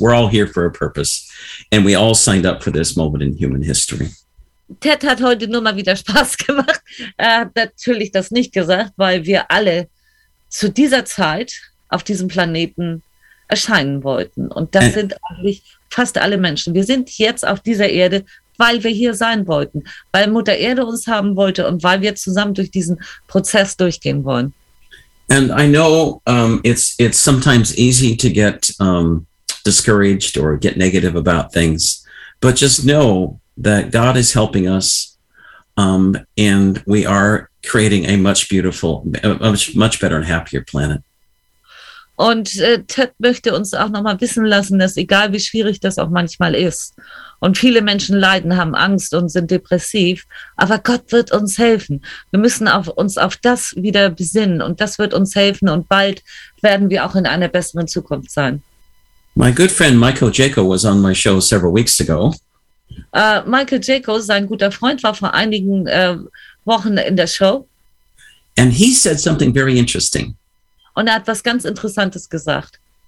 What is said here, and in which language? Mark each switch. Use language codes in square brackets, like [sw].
[en] We're all here for a purpose, and we all signed up for this moment in human history. [de] Ted hat heute nur mal wieder Spaß gemacht. Er hat natürlich das nicht gesagt, weil wir alle zu dieser Zeit auf diesem Planeten erscheinen wollten. Und das sind eigentlich fast alle Menschen. Wir sind jetzt auf dieser Erde, weil wir hier sein wollten, weil Mutter Erde uns haben wollte und weil wir zusammen durch diesen Prozess durchgehen wollen. [en] And I know it's sometimes easy to get discouraged or get negative about things, but just know that God is helping us and we are creating a much beautiful, much better and happier planet. [de] Und Ted möchte uns auch nochmal wissen lassen, dass egal wie schwierig das auch manchmal ist und viele Menschen leiden, haben Angst und sind depressiv, aber Gott wird uns helfen. Wir müssen uns auf das wieder besinnen und das wird uns helfen und bald werden wir auch in einer besseren Zukunft sein. [en] My good friend Michael Jaco was on my show several weeks ago. [de] Michael Jaco, sein guter Freund, war vor einigen Wochen in der Show. [en] And he said something very interesting. [de] Und er hat was ganz Interessantes gesagt.